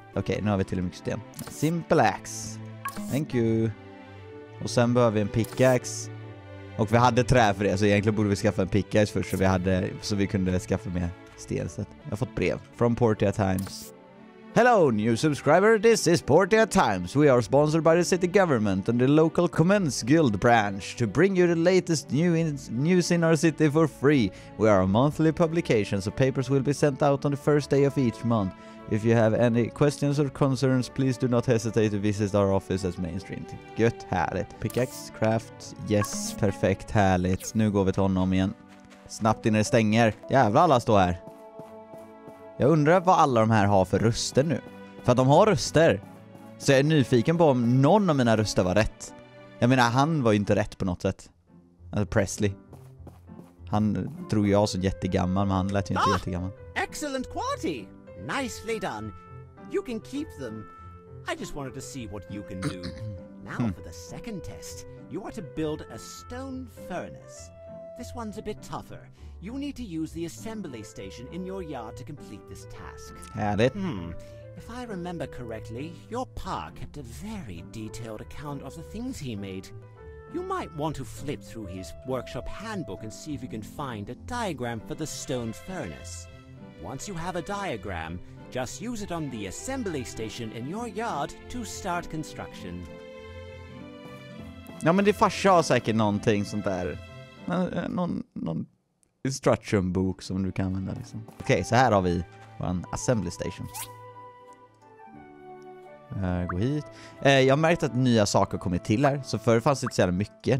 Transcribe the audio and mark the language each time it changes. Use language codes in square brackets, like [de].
[sv] Okej, okay, nu har vi till och med sten. [en] Simple axe. Thank you. [sv] Och sen behöver vi en pickaxe. Och vi hade trä för det, så egentligen borde vi skaffa en pickaxe först så vi hade, så vi kunde skaffa mer sten. Så jag har fått brev från Portia Times. [en] Hello new subscriber, this is Portia Times. We are sponsored by the city government and the local Commons Guild branch to bring you the latest news in our city for free. We are a monthly publication, so papers will be sent out on the first day of each month. If you have any questions or concerns, please do not hesitate to visit our office as mainstream. [sv] Gött, härligt. Pickaxe, craft, yes, perfekt, härligt. Nu går vi till honom igen. Snabbt innan det stänger. Jävlar, alla står här. Jag undrar vad alla de här har för röster nu. För att de har röster. Så jag är nyfiken på om någon av mina röster var rätt. Jag menar, han var ju inte rätt på något sätt. Alltså Presley. Han tror jag så jättegammal, men han lät ju inte jättegammal. [en] Excellent quality! Nicely done. You can keep them. I just wanted to see what you can do. Now for the second test. You are to build a stone furnace. This one's a bit tougher. You need to use the assembly station in your yard to complete this task. Had it. If I remember correctly, your pa kept a very detailed account of the things he made. You might want to flip through his workshop handbook and see if you can find a diagram for the stone furnace. Once you have a diagram, just use it on the assembly station in your yard to start construction. [sv] Ja, men det farsa har säkert någonting sånt där. Någon instruction book som du kan använda liksom. Okej, okay, så här har vi vår assembly station. Gå hit. Jag har märkt att nya saker kommer till här. Så förr fanns det inte så mycket.